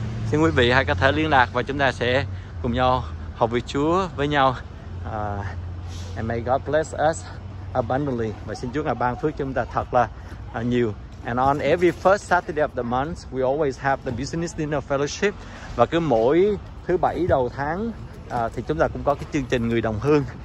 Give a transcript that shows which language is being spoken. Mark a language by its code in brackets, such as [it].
[vi] Xin quý vị hãy có thể liên lạc và chúng ta sẽ cùng nhau học vị Chúa với nhau. [en] And may God bless us abundantly. [vi] Và xin Chúa Ngài ban phước chúng ta thật là nhiều. [en] And on every first Saturday of the month, we always have the business dinner fellowship. [vi] Và cứ mỗi thứ bảy đầu tháng thì chúng ta cũng có cái chương trình người đồng hương.